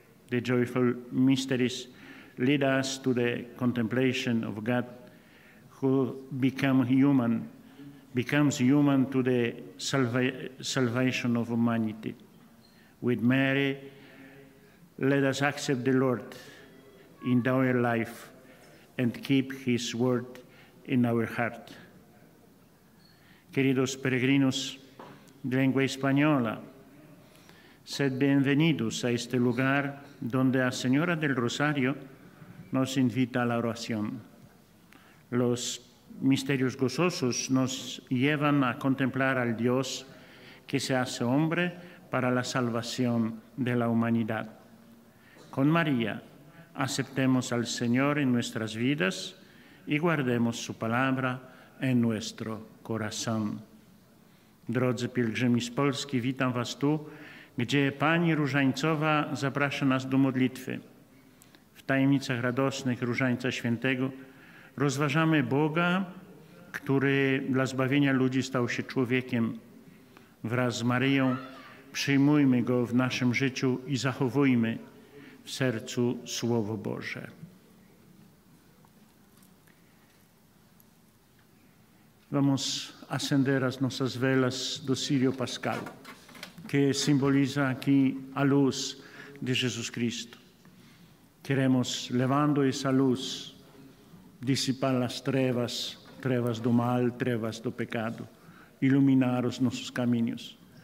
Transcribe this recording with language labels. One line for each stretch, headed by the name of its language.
English: The joyful mysteries lead us to the contemplation of God, who becomes human to the salvation of humanity. With Mary, let us accept the Lord in our life and keep his word in our heart.
Spanish: Queridos peregrinos de lengua española, sed bienvenidos a este lugar donde la Señora del Rosario nos invita a la oración. Los misterios gozosos nos llevan a contemplar al Dios que se hace hombre para la salvación de la humanidad. Con María, aceptemos al Señor en nuestras vidas y guardemos su palabra en nuestro corazón.
Polish: Drodzy pielgrzymi z Polski, witam was tu, gdzie Pani Różańcowa zaprasza nas do modlitwy. W tajemnicach radosnych Różańca Świętego rozważamy Boga, który dla zbawienia ludzi stał się człowiekiem. Wraz z Maryją przyjmujmy Go w naszym życiu i zachowujmy w sercu Słowo Boże.
Portuguese: Vamos acender as nossas velas do Círio Pascal, que simboliza aqui a luz de Jesus Cristo. Queremos, levando essa luz, dissipar as trevas, trevas do mal, trevas do pecado, iluminar os nossos caminhos.